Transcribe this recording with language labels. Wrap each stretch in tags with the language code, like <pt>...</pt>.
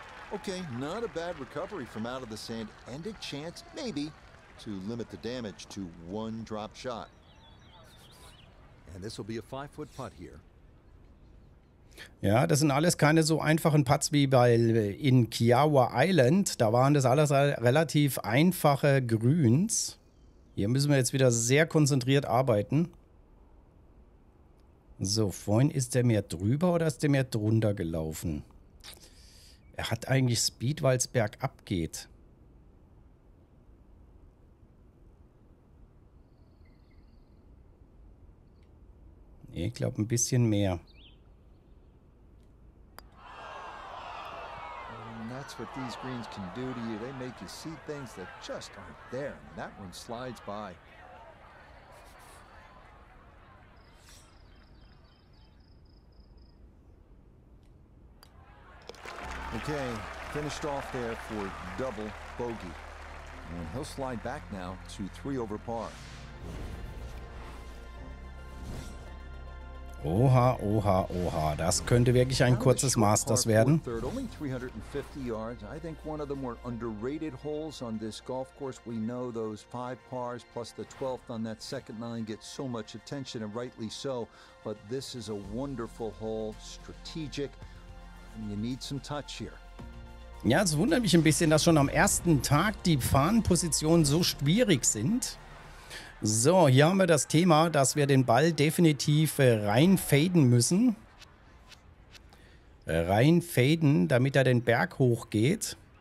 <en>Okay, not a bad recovery from out of the sand and a chance, maybe, to limit the damage to one drop shot. And this will be a 5-foot putt here.</en> <de>Ja, das sind alles keine so einfachen Putts wie bei in Kiawa Island. Da waren das alles relativ einfache Grüns. Hier müssen wir jetzt wieder sehr konzentriert arbeiten. So, vorhin ist der mehr drüber oder ist der mehr drunter gelaufen? Er hat eigentlich Speed, weil es bergab geht. Ich glaube, ein bisschen mehr.</de> <en>That's what these greens can do to you. They make you see things that just aren't there. And that one slides by. Okay, finished off there for double bogey. And he'll slide back now to 3 over par.</en> <de>Oha, oha, oha, das könnte wirklich ein kurzes Masters werden.</de> <en>Only 350 yards. I think one of the more underrated holes on this golf course. We know those 5 pars plus the 12th on that second nine get so much attention, and rightly so. But this is a wonderful hole, strategic, and you need some touch here.</en> <de>Ja, es wundert mich ein bisschen, dass schon am ersten Tag die Fahnenpositionen so schwierig sind. So, hier haben wir das Thema, dass wir den Ball definitiv reinfaden müssen. Reinfaden, damit er den Berg hochgeht.</de>